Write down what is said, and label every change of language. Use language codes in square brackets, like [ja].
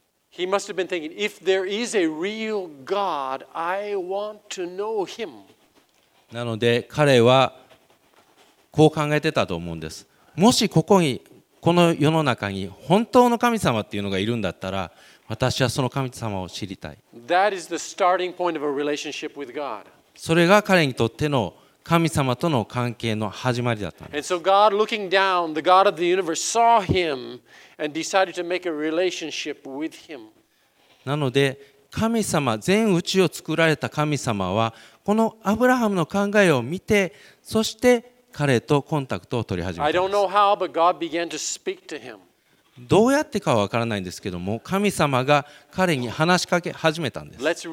[en] He must have been thinking, if there is a real God, I want to know him. [ja] なので彼はこう考えてたと思うんです。もしここにこの世の中に本当の神様っていうのがいるんだったら、私はその神様を知りたい。 [en] That is the starting point of a relationship with God. [ja] それが彼にとっての神様との関係の始まりだったんです。 [en] And so God looking down, the God of the universe saw him and decided to make a relationship with him. [ja] なので神様、全宇宙を作られた神様はこのアブラハムの考えを見て、そして彼とコンタクトを取り始めた。 [en] I don't know how, but God began to speak to him. [ja] どうやってかは分からないんですけども、神様が彼に話しかけ始めたんです。